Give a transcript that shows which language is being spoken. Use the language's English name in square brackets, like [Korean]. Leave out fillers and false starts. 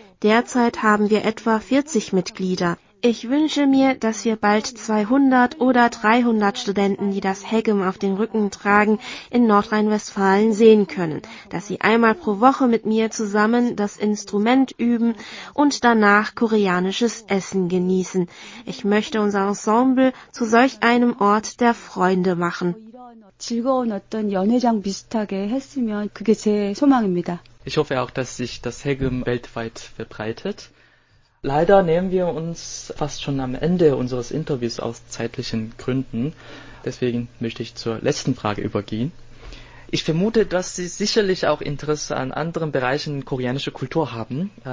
[German] Derzeit haben wir etwa 40 Mitglieder. Ich wünsche mir, dass wir bald 200 oder 300 Studenten, die das Haggim auf den Rücken tragen, in Nordrhein-Westfalen sehen können, dass sie einmal pro Woche mit mir zusammen das Instrument üben und danach koreanisches Essen genießen. Ich möchte unser Ensemble zu solch einem Ort der Freunde machen. [Korean] 즐거운 어떤 연회장 비슷하게 했으면 그게 제 소망입니다. [German] Ich hoffe auch, dass sich das Haggim weltweit verbreitet. Leider nehmen wir uns fast schon am Ende unseres Interviews aus zeitlichen Gründen. Deswegen möchte ich zur letzten Frage übergehen. Ich vermute, dass Sie sicherlich auch Interesse an anderen Bereichen koreanischer Kultur haben.